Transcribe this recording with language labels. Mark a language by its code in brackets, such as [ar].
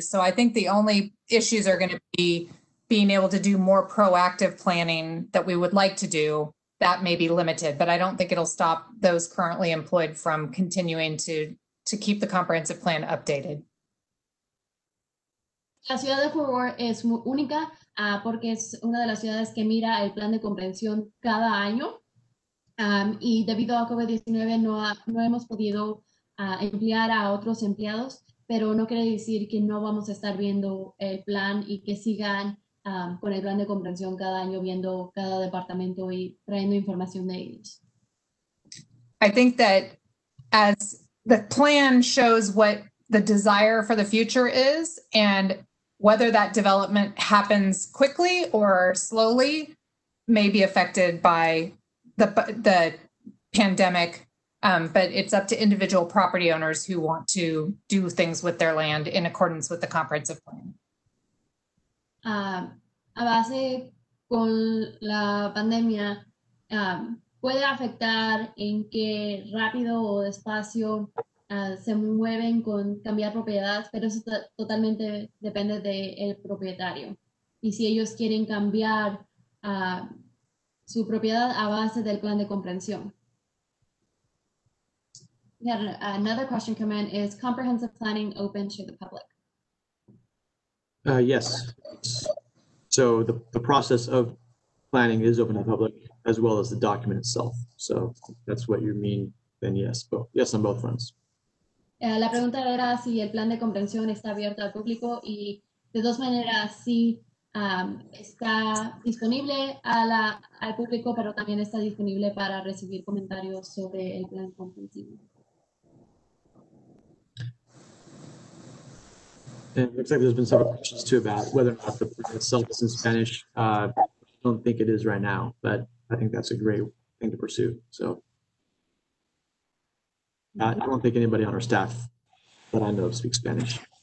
[en] So I think the only issues are going to be being able to do more proactive planning that we would like to do. That may be limited, but I don't think it'll stop those currently employed from continuing to keep the comprehensive plan updated. [es] La ciudad de Fort Worth es única porque es una de las ciudades que mira el plan de comprensión cada año. Y debido a COVID-19 no hemos podido emplear a otros empleados, pero no quiere decir que no vamos a estar viendo el plan y que sigan con el plan de comprensión cada año viendo cada departamento y trayendo información de ellos. [en] I think that as the plan shows what the desire for the future is and whether that development happens quickly or slowly may be affected by the pandemic, but it's up to individual property owners who want to do things with their land in accordance with the comprehensive plan. [es] A base con la pandemia, puede afectar en qué rápido o despacio se mueven con cambiar propiedades, pero eso totalmente depende del propietario. Y si ellos quieren cambiar su propiedad a base del plan de comprensión. [en] We had another question come in. Is comprehensive planning open to the public? Yes. So the process of planning is open to the public as well as the document itself. So that's what you mean, then yes. But yes on both fronts. [es] La pregunta era si el plan de comprensión está abierto al público y de dos maneras, sí. Está disponible al público, pero también está disponible para recibir comentarios sobre el plan comprensivo. [en] And it looks like there's been several questions too about whether or not the plan itself is in Spanish. I don't think it is right now, but I think that's a great thing to pursue. So I don't think anybody on our staff that I know speaks Spanish.